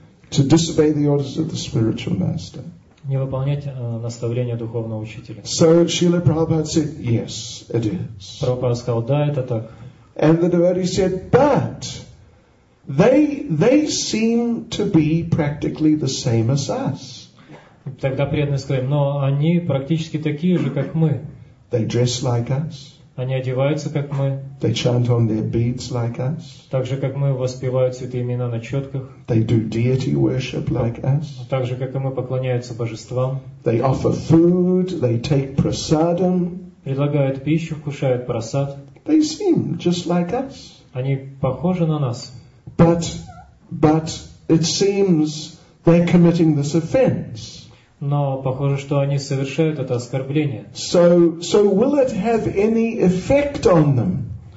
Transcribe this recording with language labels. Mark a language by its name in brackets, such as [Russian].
[English] To disobey the orders of the spiritual master. [Russian] Не выполнять наставления духовного учителя. [English] So Srila Prabhupada said, yes, it is. [Russian] Прабхупада сказал: да, это так. [English] And the devotee said, but they seem to be practically the same as us. [Russian] Тогда преданные сказали: но они практически такие же, как мы. [English] They dress like us. [Russian] Они одеваются, как мы. [English] They chant on their beads like us. [Russian] Так же, как мы, воспевают святые имена на четках. [English] They do deity worship like us. [Russian] Так же, как и мы, поклоняются божествам. [English] They offer food, they take prasadam. [Russian] Предлагают пищу, кушают прасад. [English] They seem just like us. [Russian] Они похожи на нас. [English] But it seems they're committing this offense. [Russian] Но похоже, что они совершают это оскорбление. [English] So will it have any effect on them?